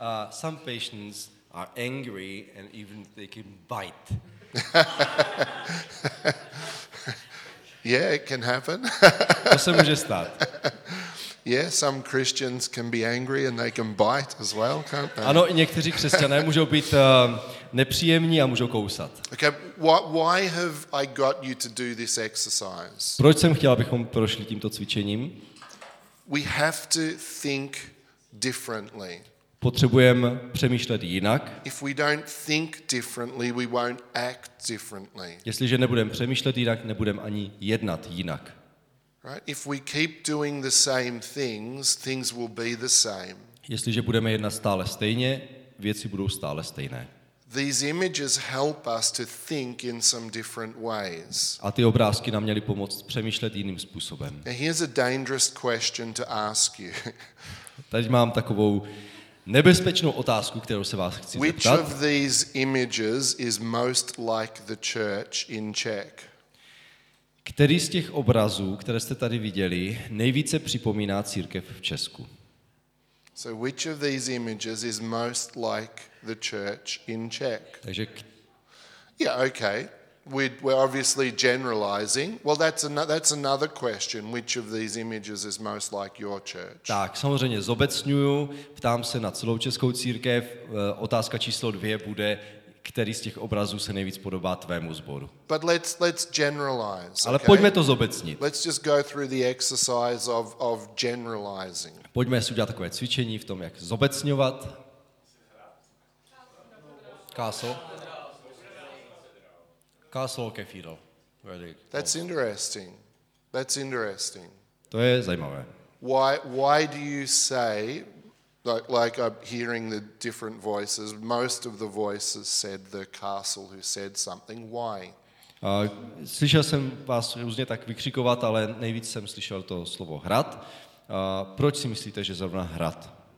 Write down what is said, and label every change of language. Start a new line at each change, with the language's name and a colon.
English: Some patients are angry and even they can bite. Yeah, it can happen.
Czech: To se může stát.
English: Yeah, some Christians can be angry and they can bite as well, can't they?
Czech: Ano, někteří křesťané můžou být nepříjemní a můžou kousat.
English: Okay, why have I got you to do this exercise?
Czech: Proč jsem chtěl, abychom prošli tímto cvičením?
English: We have to think differently.
Czech: Potřebujeme přemýšlet jinak.
English: If we don't think differently, we won't act differently.
Czech: Jestliže nebudeme přemýšlet jinak, nebudeme ani jednat jinak.
English: Right? If we keep doing the same things, things will be the same.
Czech: Jestliže budeme jednat stále stejně, věci budou stále stejné.
English: These images help us to think in some different ways.
Czech: A ty obrázky nám měly pomoct přemýšlet jiným způsobem.
English: Now here's a dangerous question to ask you.
Czech: Teď mám takovou nebezpečnou otázku, kterou se vás chci
English: Which
Czech: zeptat.
English: Of these images is most like the church in Czech?
Czech: Který z těch obrazů, které jste tady viděli, nejvíce připomíná církev v Česku?
English: So which of these images is most like the church in Czech?
Czech: Takže
English: Yeah, okay. We're obviously generalizing. Well, that's another question. Which of these images is most like your church?
Czech: Tak, samozřejmě zobecňuju, ptám se na celou českou církev. Otázka číslo dvě bude, který z těch obrazů se nejvíc podobá tvému sboru.
English: But let's generalize.
Czech: Ale pojďme to zobecnit.
English: Let's just go through the exercise of generalizing.
Czech: Pojďme si udělat takové cvičení v tom, jak zobecňovat. Káso.
English: Castle cathedral. That's interesting. That's interesting.
Czech: To je zajímavé.
English: Why do you say like I'm hearing the different voices, most of the voices said the castle who said something. Why?
Czech: Slyšel jsem vás různě tak vykřikovat, ale nejvíc jsem slyšel to slovo hrad. Proč si myslíte, že zrovna hrad?